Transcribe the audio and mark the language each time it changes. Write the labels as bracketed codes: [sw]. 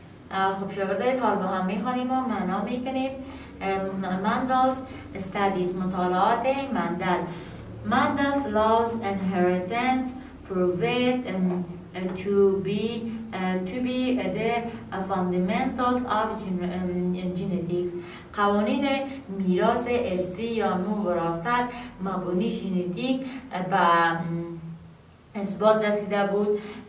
[fa] خب شاگرده از حال با هم میخوانیم و معنا میکنیم. [en] Mandel's studies, [fa] مطالعات مندل. [en] Mandel's laws inheritance proved to be the fundamentals of genetics. [fa] قوانین میراث ارثی یا موراثت مبانی ژنتیک به اثبات رسیده بود.